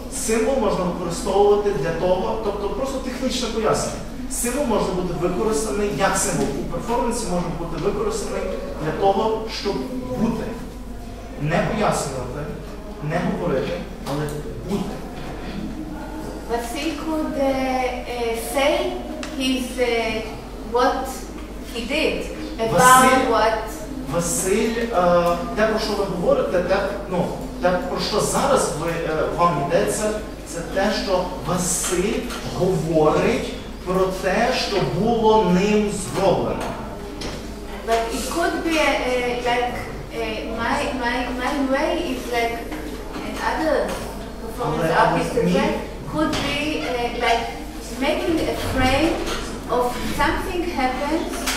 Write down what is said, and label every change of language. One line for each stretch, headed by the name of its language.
Ukrainian: Символ можна використовувати для того, тобто просто технічне пояснення. Символ може бути використаний, як символ у перформансі може бути використаний для того, щоб бути. Не пояснювати, не говорити, але бути.
English: But he could say his what he did about Василь, what.
Ukrainian: Василь, те, про що ви говорите, те, про що зараз вам йдеться, це те, що Василь говорить про те, що було ним зроблено.
English: But it could be like my way is like another performance artist. Could be like making a frame of something happened